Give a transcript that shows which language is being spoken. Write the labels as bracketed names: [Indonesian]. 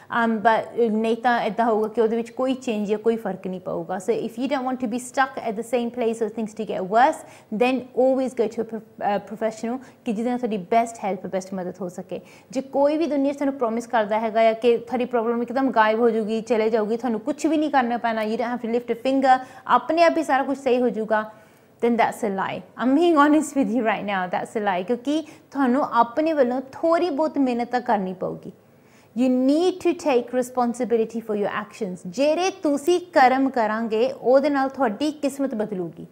[Punjabi] ਨਹੀਂ ਤਾਂ ਇੱਦਾਂ ਹੋਊਗਾ ਕਿ ਉਹਦੇ ਵਿੱਚ ਕੋਈ ਚੇਂਜ ਜਾਂ ਕੋਈ ਫਰਕ ਨਹੀਂ ਪਊਗਾ [English] so if you don't want to be stuck at the same place or things to get worse then always go to professional [Punjabi] ਕਿ ਜਿਹਦੇ ਨਾਲ ਤੁਹਾਡੀ ਬੈਸਟ ਹੈਲਪ ਬੈਸਟ ਮਦਦ ਹੋ ਸਕੇ ਜੇ ਕੋਈ ਵੀ ਦੁਨੀਆ 'ਚ ਤੁਹਾਨੂੰ ਪ੍ਰੋਮਿਸ ਕਰਦਾ ਹੈਗਾ ਆ ਕਿ ਤੁਹਾਡੀ ਪ੍ਰੋਬਲਮ ਇੱਕਦਮ ਗਾਇਬ ਹੋ ਜੂਗੀ ਚਲੇ ਜਾਊਗੀ ਤੁਹਾਨੂੰ ਕੁਛ ਵੀ ਨਹੀਂ ਕਰਨਾ ਪੈਣਾ [English] you don't have to lift a finger [Punjabi] ਆਪਣੇ ਆਪ ਹੀ ਸਾਰਾ ਕੁਛ ਸਹੀ ਹੋ ਜੂਗਾ [English] then that's a lie. I'm being honest with you right now. That's a lie. [Punjabi] ਕਿਉਂਕਿ ਤੁਹਾਨੂੰ ਆਪਣੇ ਵੱਲੋਂ ਥੋੜ੍ਹੀ ਬਹੁਤ ਮਿਹਨਤ ਤਾਂ ਕਰਨੀ ਪਊਗੀ. [English] You need to take responsibility for your actions. [Punjabi] ਜਿਹੜੇ ਤੁਸੀਂ ਕਰਮ ਕਰਾਂਗੇ, ਓਹਦੇ ਨਾਲ ਥੋੜ੍ਹੀ ਕਿਸਮਤ ਬਦਲੂਗੀ.